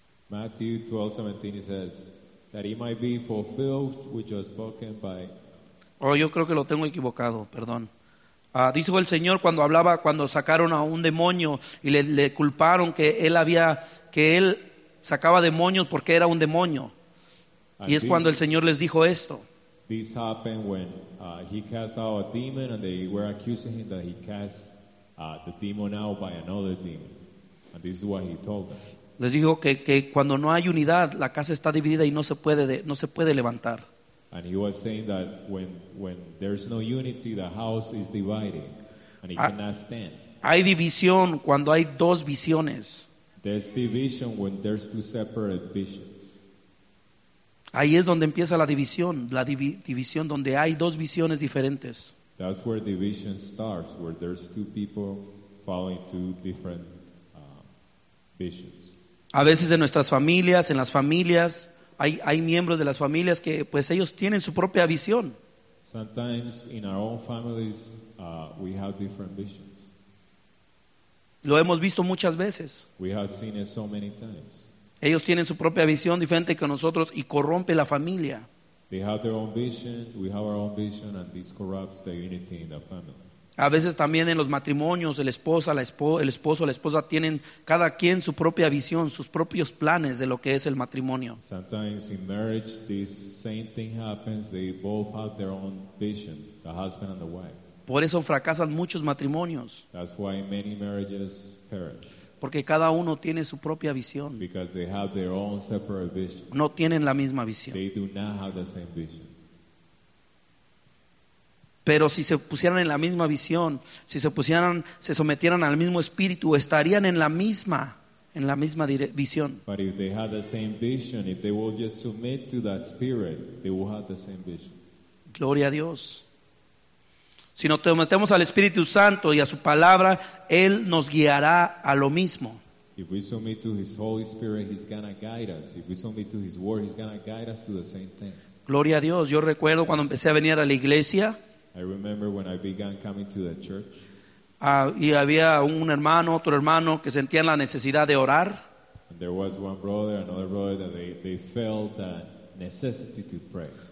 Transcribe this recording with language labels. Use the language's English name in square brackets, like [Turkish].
[English] Matthew 12:17 says, that it might be fulfilled which was spoken by [Spanish] Oh, yo creo que lo tengo equivocado, perdón. Dijo el Señor cuando hablaba, cuando sacaron a un demonio y le culparon que él había, que él sacaba demonios porque era un demonio. [English] And [Spanish] y es [English] this, [Spanish] cuando el Señor les dijo esto. [English] This happened when he cast out a demon and they were accusing him that he cast the demon out by another demon. And this is what he told them. [Spanish] Les dijo que cuando no hay unidad, la casa está dividida y no se puede levantar. [English] And he was saying that when there's no unity, the house is divided and it cannot stand. [Spanish] Hay división cuando hay dos visiones. [English] There's division when there's two separate visions. [Spanish] Ahí es donde empieza la división, división donde hay dos visiones diferentes. [English] That's where division starts, where there's two people following two different visions. [Spanish] A veces en nuestras familias, en las familias, hay miembros de las familias que pues ellos tienen su propia visión. [English] Sometimes in our own families we have different visions. [Spanish] Lo hemos visto muchas veces. [English] We have seen it so many times. [Spanish] Ellos tienen su propia visión diferente que nosotros y corrompe la familia. [English] They have their own vision, we have our own vision, and this corrupts the unity in the family. [Spanish] A veces también en los matrimonios, el esposo, la esposa tienen cada quien su propia visión, sus propios planes de lo que es el matrimonio. [English] Sometimes in marriage, this same thing happens. They both have their own vision, the husband and the wife. [Spanish] Por eso fracasan muchos matrimonios. [English] That's why many marriages perish. [Spanish] Porque cada uno tiene su propia visión. [English] Because they have their own separate vision. [Spanish] No tienen la misma visión. [English] They do not have the same vision. [Spanish] Pero si se pusieran en la misma visión, si se pusieran, se sometieran al mismo espíritu, estarían en la misma visión. [English] But if they had the same vision, if they will just submit to that spirit, they will have the same vision. [Spanish] Gloria a Dios. Si nos sometemos al Espíritu Santo y a su palabra, él nos guiará a lo mismo. [English] If we submit to his Holy Spirit, he's gonna guide us. If we submit to his word, he's gonna guide us to the same thing. [Spanish] Gloria a Dios. Yo recuerdo cuando empecé a venir a la iglesia. [English] I remember when I began coming to the church. [Spanish] Y había un hermano, otro hermano que sentían la necesidad de orar. [English] And there was one brother, another brother that they felt the necessity to pray.